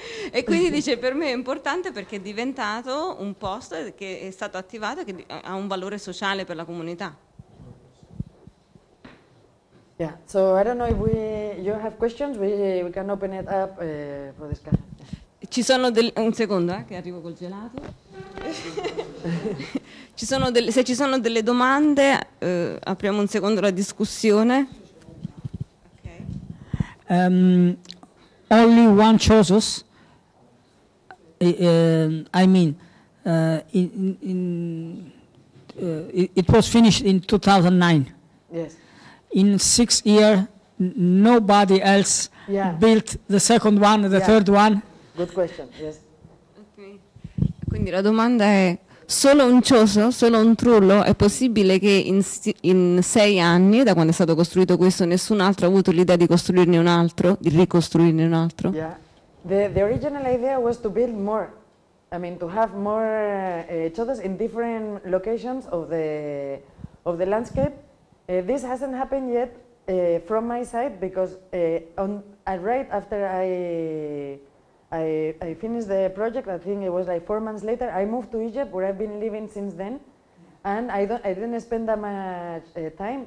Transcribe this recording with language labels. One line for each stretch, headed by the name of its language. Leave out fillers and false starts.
Italian: E quindi dice, per me è importante perché è diventato un posto che è stato attivato e che ha un valore sociale per la comunità.
English: Yeah, so I don't know if you have questions, we can open it up for discussion.
Italian: Ci sono un secondo, che arrivo col gelato. se ci sono delle domande, apriamo un secondo la discussione.
English: Okay. Only one chooses. I mean, it was finished in 2009. Yes. In 6 years, nobody else built the second one, the third one. Good question. Yes. Okay.
Italian: Quindi la domanda è: solo un cioso, solo un trullo, è possibile che in 6 anni, da quando è stato costruito questo, nessun altro ha avuto l'idea di costruirne un altro, di ricostruirne un altro?
English: Yeah. The original idea was to build more, I mean to have more chozos in different locations of the landscape. This hasn't happened yet from my side because right after I finished the project, I think it was like 4 months later, I moved to Egypt where I've been living since then, and I didn't spend that much time.